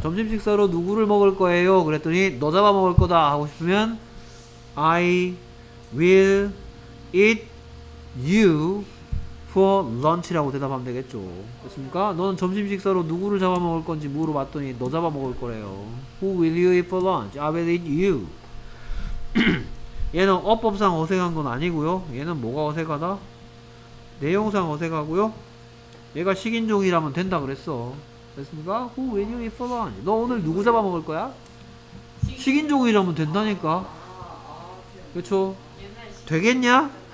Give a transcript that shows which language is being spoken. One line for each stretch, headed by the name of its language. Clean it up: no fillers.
Korean: 점심 식사로 누구를 먹을 거예요? 그랬더니 너 잡아 먹을 거다 하고 싶으면
English: I will eat you for lunch
Korean: 라고 대답하면 되겠죠. 됐습니까? 너는 점심 식사로 누구를 잡아 먹을 건지 물어봤더니 너 잡아 먹을 거래요.
English: Who will you eat for lunch? I will eat you.
Korean: 얘는 어법상 어색한 건 아니고요. 얘는 뭐가 어색하다? 내용상 어색하고요. 얘가 식인종이라면 된다 그랬어. 됐습니까?
English: Who will you eat for lunch?
Korean: 너 오늘 누구 잡아먹을 거야? 식인종이라면 된다니까. 그쵸? 되겠냐?